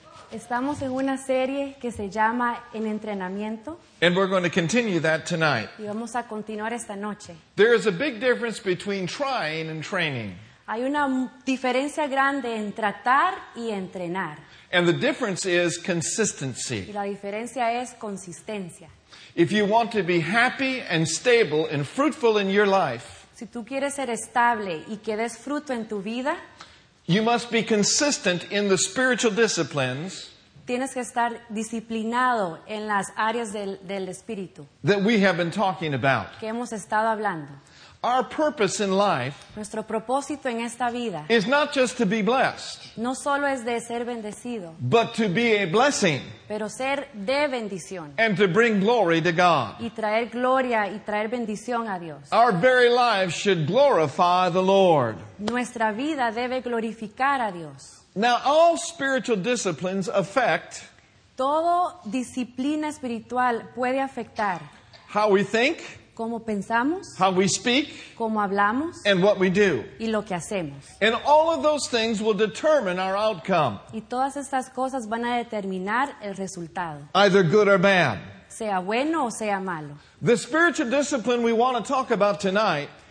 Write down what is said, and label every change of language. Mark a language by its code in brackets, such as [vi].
[es] Estamos en una serie que se llama En Entrenamiento. [en] And we're going to continue that tonight. [es] Y vamos a continuar esta noche. [en] There is a big difference between trying and training. [es] Hay una diferencia grande en tratar y entrenar. [en] And the difference is consistency. [es] Y la diferencia es consistencia. [en] If you want to be happy and stable and fruitful in your life, [es] si tú quieres ser estable y que des fruto en tu vida, [en] you must be consistent in the spiritual disciplines. [es] Tienes que estar disciplinado en las áreas del espíritu. [en] That we have been talking about. [es] Que hemos estado hablando. [en] Our purpose in life, [es] nuestro propósito en esta vida, [en] is not just to be blessed, [es] no solo es de ser bendecido, [en] but to be a blessing, [es] pero ser de bendición, [en] and to bring glory to God, [es] y traer gloria y traer bendición a Dios. [en] Our very life should glorify the Lord. [es] Nuestra vida debe glorificar a Dios. [en] Now, all spiritual disciplines affect, [es] todo disciplina espiritual puede afectar, [en] how we think, [es] cómo pensamos, [en] how we speak, [es] cómo hablamos, [en] and what we do, [es] y lo que hacemos. [en] And all of those things will determine our outcome. [es] Y todas estas cosas van a determinar el resultado. [en] Either good or bad. [es] Sea bueno o sea malo. [en] The spiritual discipline we want to talk about tonight,